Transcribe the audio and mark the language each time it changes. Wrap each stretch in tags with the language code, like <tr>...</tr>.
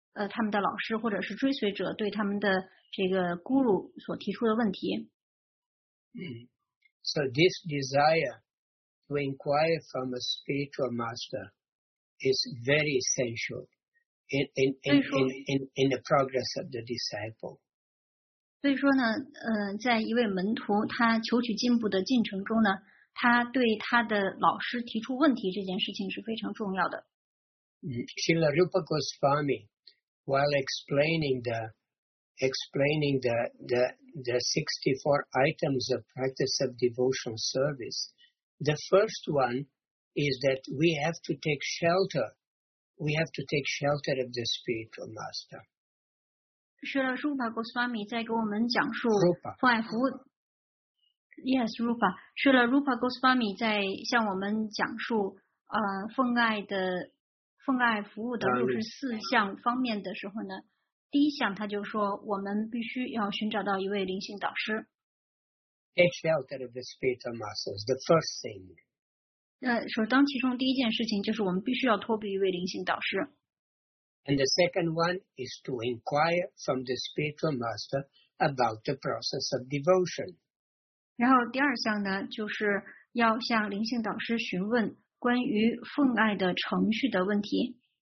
<zh>他们的老师或者是追随者对他们的这个 guru 所提出的问题。</zh> <en>So this desire to inquire from a spiritual master is very essential in the progress of the disciple.</en> <zh>所以说呢，在一位门徒他求取进步的进程中呢，他对他的老师提出问题这件事情是非常重要的。</zh> <en>Srila Rupa Goswami. While explaining the 64 items of practice of devotional service, the first one is that we have to take shelter. We have to take shelter of the spiritual master.</en> <zh>是的 ，Rupa Goswami 在给我们讲述关爱服务。</zh> <en>Yes, Rupa.</en> <zh>是的 ，Rupa Goswami 在向我们讲述奉爱服务的六十四项方面的时候呢，第一项他就说，我们必须要寻找到一位灵性导师。</zh> <en>Take shelter of the spiritual masters, the first thing.</en> <zh>首当其冲第一件事情就是我们必须要托庇一位灵性导师。</zh> <en>And the second one is to inquire from the spiritual master about the process of devotion.</en> <zh>然后第二项呢，就是要向灵性导师询问。关于奉爱的程序的问题。</zh>